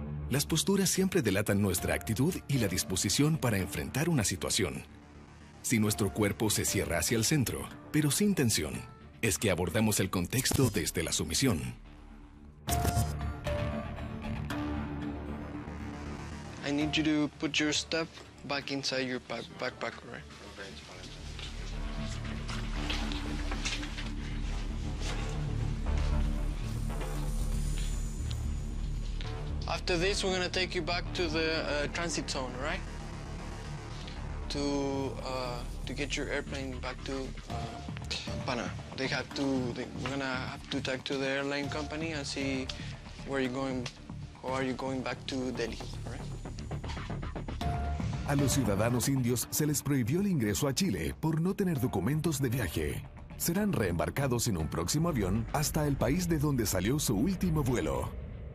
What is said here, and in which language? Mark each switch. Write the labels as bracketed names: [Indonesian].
[Spanish] Las posturas siempre delatan nuestra actitud y la disposición para enfrentar una situación. Si nuestro cuerpo se cierra hacia el centro, pero sin tensión, es que abordamos el contexto desde la sumisión. [English] I need you to put your stuff back inside your backpack, right? Okay. After this, we're gonna take you back to the transit zone, right? To get your airplane back to Panama. We're gonna have to talk to the airline company and see where you're going. Or are you going back to Delhi? [Spanish] A los ciudadanos indios se les prohibió el ingreso a Chile por no tener documentos de viaje. Serán reembarcados en un próximo avión hasta el país de donde salió su último vuelo.